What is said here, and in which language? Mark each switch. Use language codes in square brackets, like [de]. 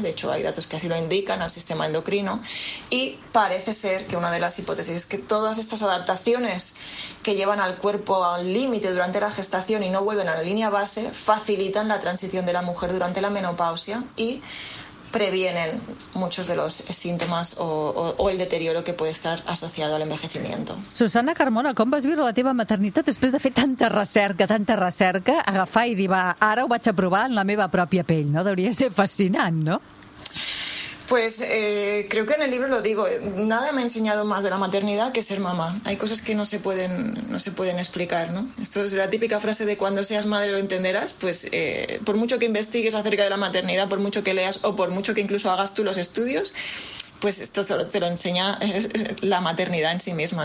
[es] De hecho, hay datos que así lo indican, al sistema endocrino. Y parece ser que una de las hipótesis es que todas estas adaptaciones que llevan al cuerpo al límite durante la gestación y no vuelven a la línea base facilitan la transición de la mujer durante la menopausia y previenen muchos de los síntomas o el deterioro que puede estar asociado al envejecimiento. [ca] Susana Carmona, com vas viure la teva maternitat després de fer tanta recerca, agafar i dir, va, ara ho vaig a provar en la meva pròpia pell, no? Deuria ser fascinant, no? [es] Pues creo que en el libro lo digo, nada me ha enseñado más de la maternidad que ser mamá. Hay cosas que no se pueden explicar, ¿no? Esto es la típica frase de cuando seas madre lo entenderás, pues por mucho que investigues acerca de la maternidad, por mucho que leas o por mucho que incluso hagas tú los estudios, pues esto te lo enseña la maternidad en sí misma.